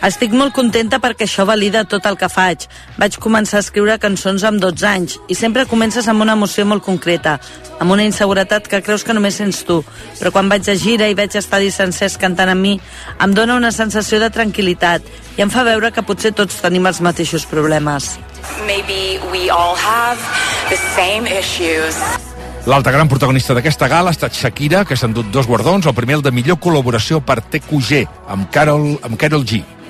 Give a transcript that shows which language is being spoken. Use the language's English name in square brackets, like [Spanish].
[Catalan] Estic molt contenta perquè això valida tot el que faig. Vaig començar a escriure cançons amb 12 anys i sempre comences amb una emoció molt concreta, amb una inseguretat que creus que només sents tu. Però quan vaig a gira i veig estadis sencers cantant amb mi, em dona una sensació de tranquil·litat i em fa veure que potser tots tenim els mateixos problemes. [English] Maybe we all have the same issues. [Catalan] L'altra gran protagonista d'aquesta gala ha estat Shakira, que s'ha endut dos guardons, el primer el de millor col·laboració per TQG, amb Karol G.